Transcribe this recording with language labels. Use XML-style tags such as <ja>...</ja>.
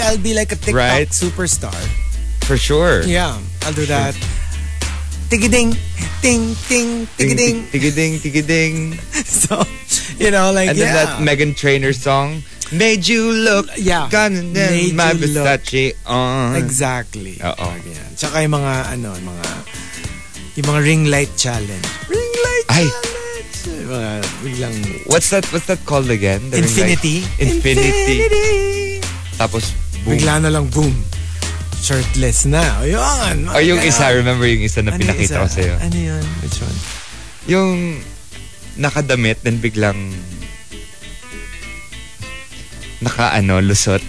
<en>I'll be like a TikTok right? Superstar. For sure. Yeah. I'll do that. Tigiding. ting ting tigiding tigiding tigiding. So, you know, like, and then yeah, that Meghan Trainor song made you look, yeah, kind of my Versace on. Exactly. Uh-oh. Oh, yeah.</en> <tl>Tsaka yung mga ano, mga yung mga ring light challenge.</tl> <en>Ring light challenge. Biglang, what's that called again? The infinity.</en> <tl>Infinity. Tapos boom. Bigla na lang boom. Shirtless na. Ayun. Oh, yung isa, remember yung isa na ano pinakita isa ko sa iyo? Ano yun?</tl> <en>Which one?</en> <tl>Yung nakadamit then biglang naka ano, lusot.</tl>